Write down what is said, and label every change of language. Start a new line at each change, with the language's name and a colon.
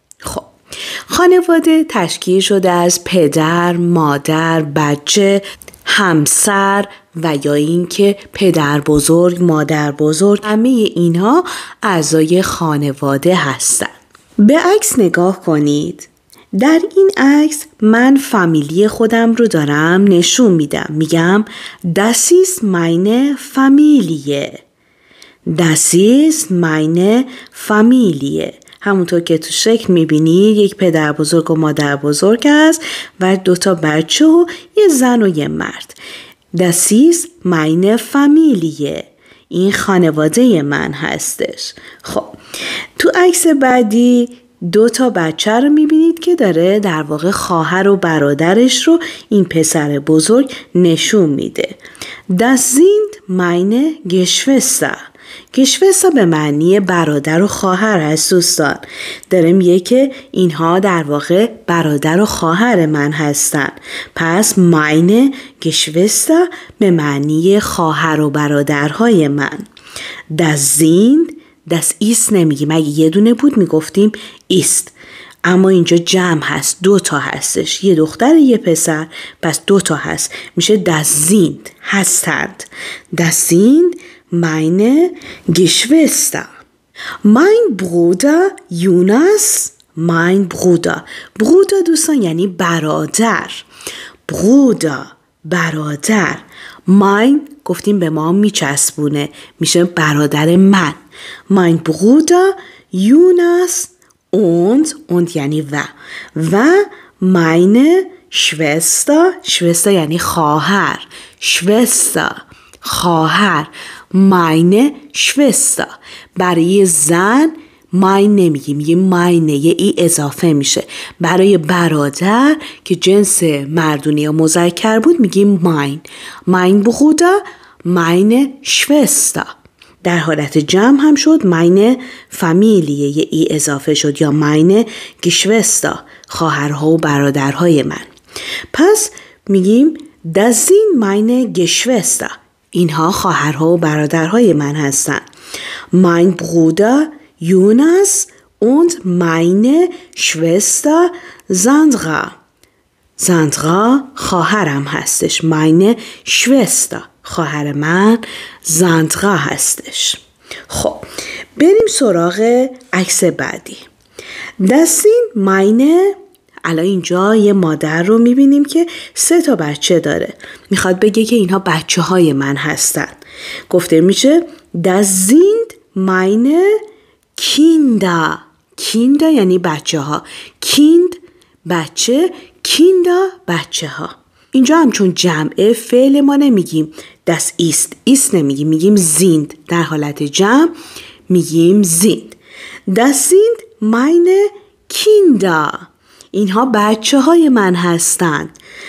Persian: خب خانواده تشکیل شده از پدر، مادر، بچه، همسر و یا اینکه پدر بزرگ، مادر بزرگ، همه اینها اعضای خانواده هستن. به عکس نگاه کنید. در این عکس من فامیلی خودم رو دارم نشون میدم. میگم
English: This is my family. This is my family.
Persian: همونطور که تو شکل میبینید یک پدر بزرگ و مادر بزرگ است و دوتا بچه و یه زن و یه مرد.
English: This is my family.
Persian: این خانواده من هستش. خب تو عکس بعدی دوتا بچه رو میبینید که داره در واقع خواهر و برادرش رو این پسر بزرگ نشون میده.
German: Das sind meine Geschwister.
Persian: Geschwister به معنی برادر و خواهر هست دوستان. داره میگه که اینها در واقع برادر و خواهر من هستن. پس
German: meine Geschwister
Persian: به معنی خواهر و برادرهای من.
German: Das sind Das ist
Persian: نمیگیم، اگه یه دونه بود میگفتیم ist، اما اینجا جمع هست، دوتا هستش، یه دختر یه پسر، پس دوتا هست، میشه
German: Das sind
Persian: هستند.
German: Das sind meine Geschwister. Mein Bruder Jonas. Mein Bruder.
Persian: Bruder دوستان یعنی برادر. Bruder برادر. Mein گفتیم به ما میچسبونه، میشه برادر من.
German: Mein Bruder Jonas und
Persian: یعنی و
German: meine Schwester
Persian: یعنی خواهر. Schwester خواهر.
German: Meine Schwester
Persian: برای زن mein نمیگیم، یه meine یه ای اضافه میشه. برای برادر که جنس مردونه یا مذکر بود میگیم
German: mein Bruder meine Schwester.
Persian: در حالت جمع هم شد
German: meine Familie،
Persian: یه ای اضافه شد، یا
German: meine Geschwister،
Persian: خواهرها و برادرهای من. پس میگیم
German: Das sind meine Geschwister،
Persian: اینها خواهرها و برادرهای من هستن.
German: Mein Bruder Jonas und meine Schwester Sandra.
Persian: Sandra خواهرم هستش.
German: Meine Schwester
Persian: خواهر من، زندقه هستش. خب بریم سراغ عکس بعدی.
German: Das sind meine.
Persian: الان اینجا یه مادر رو میبینیم که سه تا بچه داره، میخواد بگه که اینها بچه های من هستن. گفته میشه
German: Das sind meine Kinder.
Persian: Kinder یعنی بچه ها. Kind بچه، Kinder بچه ها. اینجا هم چون جمعه فعل ما نمیگیم
German: Das ist
Persian: نمیگیم، میگیم sind. در حالت جمع میگیم sind.
German: Das sind meine Kinder.
Persian: اینها بچه های من هستند.